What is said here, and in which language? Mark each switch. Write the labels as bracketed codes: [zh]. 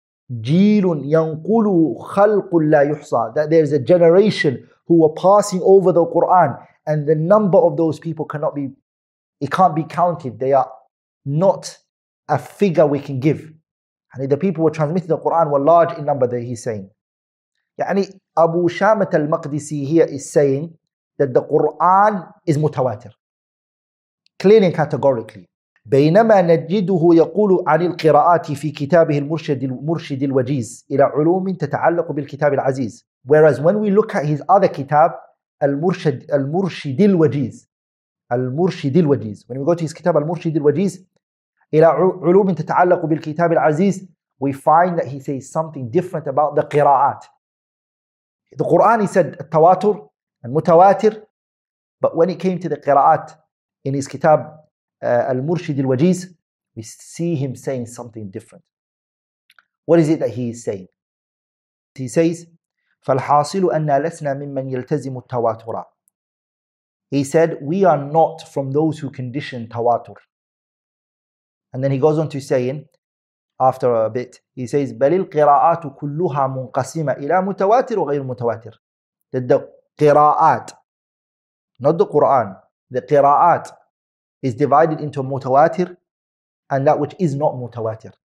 [ar] جيل ينقل خلق لا يحصى, [en] that there is a generation who were passing over the Quran, and the number of those people cannot be, it can't be counted, they are not a figure we can give. And the people who transmitted the Quran were large in number, that he's saying. يعني Abu Shamat al-Maqdisi here is saying that the Quran is mutawatir, clearly and categorically. [ar] بينما نجده يقول عن القراءات في كتابه المرشد الوجيز إلى علوم تتعلق بالكتاب العزيز. [en] Whereas when we look at his other kitab, المرشد الوجيز, when we go to his kitab المرشد الوجيز إلى علوم تتعلق بالكتاب العزيز, we find that he says something different about the قراءات. The Quran, he said التواتر المتواتر, but when it came to the قراءات in his kitab المرشد الوجيز, we see him saying something different. What is it that he is saying? He says [ar] فالحاصل أننا لسنا ممن يلتزم التواتر. [en] He said we are not from those who condition تواتر. And then he goes on to saying, after a bit, he says, [ar] بل القراءات كلها منقسمة إلى متواتر وغير متواتر. [en] That the قراءات, not the Quran, the قراءات is divided into متواتر and that which is not متواتر.